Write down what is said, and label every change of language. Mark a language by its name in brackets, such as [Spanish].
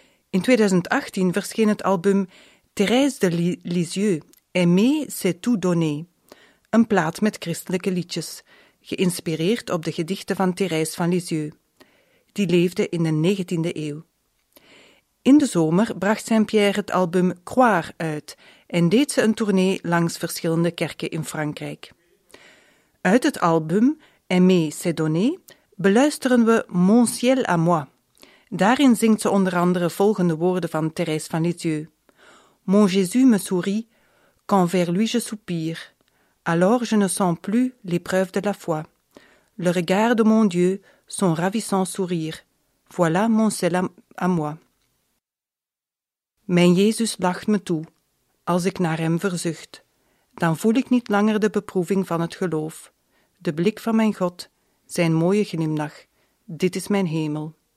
[Dutch] In 2018 verscheen het album Thérèse de Lisieux, Aimer c'est tout donner, een plaat met christelijke liedjes, geïnspireerd op de gedichten van Thérèse van Lisieux. Die leefde in de 19e eeuw. In de zomer bracht Saint-Pierre het album Croire uit en deed ze een tournee langs verschillende kerken in Frankrijk. Uit het album Aimer c'est donner beluisteren we Mon ciel à moi. Daarin zingt ze onder andere volgende woorden van Thérèse van Lisieux: [French] Mon Jésus me sourit quand vers lui je soupire. Alors je ne sens plus l'épreuve de la foi. Le regard de mon Dieu, son ravissant sourire. Voilà mon ciel à moi. [Dutch] Mijn Jezus lacht me toe als ik naar hem verzucht. Dan voel ik niet langer de beproeving van het geloof. De blik van mijn God, zijn mooie glimlach, dit is mijn hemel.